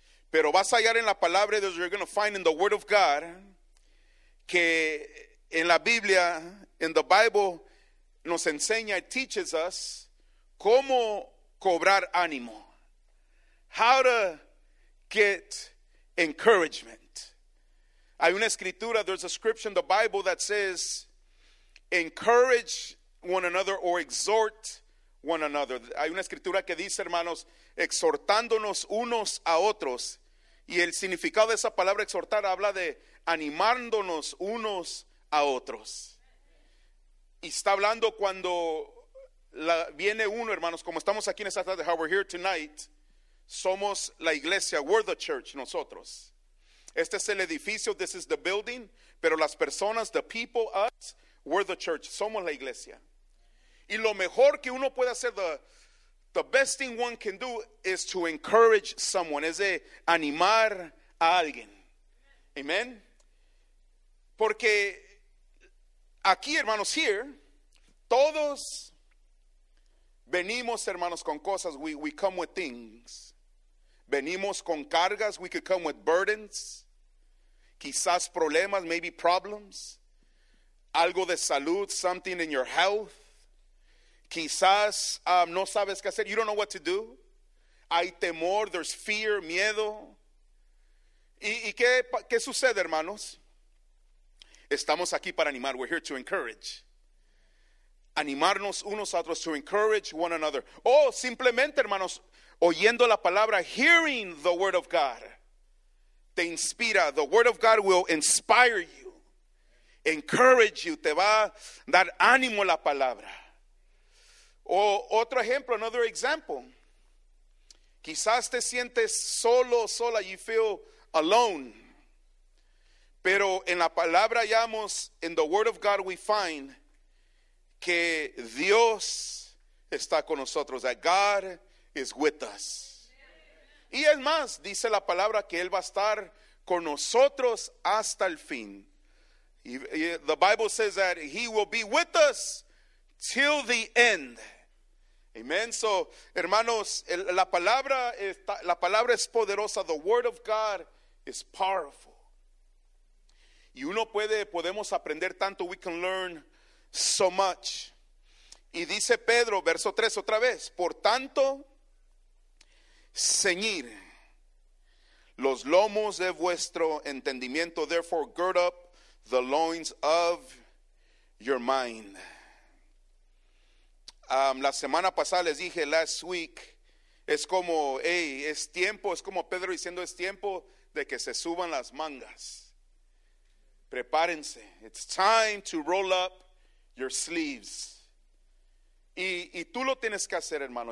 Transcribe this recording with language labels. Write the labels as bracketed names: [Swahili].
[Spanish] Pero vas a hallar en la palabra de Dios, [English] you're going to find in the word of God, [Spanish] que en la Biblia, [English] in the Bible, [Spanish] nos enseña, [English] it teaches us, [Spanish] cómo cobrar ánimo. [English] How to get encouragement. [Spanish] Hay una escritura, [English] there's a scripture in the Bible that says, encourage one another or exhort one another. [Spanish] Hay una escritura que dice, hermanos, exhortándonos unos a otros. Y el significado de esa palabra exhortar habla de animándonos unos a otros. Y está hablando cuando viene uno, hermanos, como estamos aquí en esta tarde, [English] how we're here tonight, [Spanish] somos la iglesia, [English] we're the church, [Spanish] nosotros. Este es el edificio, [English] this is the building, [Spanish] pero las personas, [English] the people, us, we're the church, [Spanish] somos la iglesia. Y lo mejor que uno puede hacer, [English] the best thing one can do is to encourage someone, [Spanish] es de animar a alguien. Amen. Porque aquí, hermanos, here, todos venimos, hermanos, con cosas. [English] We come with things. [Spanish] Venimos con cargas. [English] We could come with burdens. [Spanish] Quizás problemas, [English] maybe problems. [Spanish] Algo de salud, [English] something in your health. [Spanish] Quizás no sabes qué hacer. [English] You don't know what to do. [Spanish] Hay temor, [English] there's fear, [Spanish] miedo. ¿Y qué sucede, hermanos? Estamos aquí para animar. [English] We're here to encourage. [Spanish] Animarnos unos a otros, [English] to encourage one another. [Spanish] O simplemente, hermanos, oyendo la palabra, [English] hearing the word of God, [Spanish] te inspira. [English] The word of God will inspire you, encourage you, [Spanish] te va a dar ánimo la palabra. O otro ejemplo, [English] another example. [Spanish] Quizás te sientes solo, sola, [English] you feel alone. [Spanish] Pero en la palabra hallamos, [English] in the word of God we find [Spanish] que Dios está con nosotros, [English] that God is with us. [Spanish] Y es más, dice la palabra que Él va a estar con nosotros hasta el fin. [English] The Bible says that He will be with us till the end. Amen. [Spanish] So, hermanos, la palabra es poderosa. [English] The word of God is powerful. [Spanish] Y podemos aprender tanto. [English] We can learn so much. [Spanish] Y dice Pedro, verso 3, otra vez: por tanto, ceñir los lomos de vuestro entendimiento. [English] Therefore, gird up the loins of your mind. [Spanish] La semana pasada les dije, [English] last week, [Spanish] es como, hey, es tiempo, es como Pedro diciendo, es tiempo de que se suban las mangas. Prepárense. [English] It's time to roll up your sleeves. [Spanish] Y tú lo tienes que hacer, hermano.